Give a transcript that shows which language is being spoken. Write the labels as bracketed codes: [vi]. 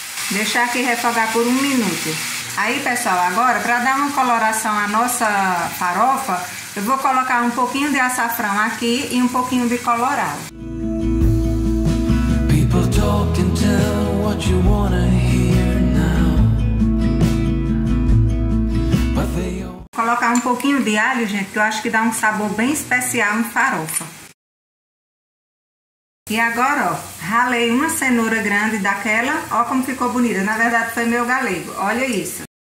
[pt] Deixar aqui refogar por 1 minuto. Aí, pessoal, agora, para dar uma coloração à nossa farofa, eu vou colocar um pouquinho de açafrão aqui e um pouquinho de colorau. [en] People talk and tell what you wanna hear now. But they all... [pt] Colocar um pouquinho de alho, gente, que eu acho que dá um sabor bem especial em farofa. E agora, ó, ralei uma cenoura grande daquela, ó como ficou bonita, na verdade foi meu galego, olha isso.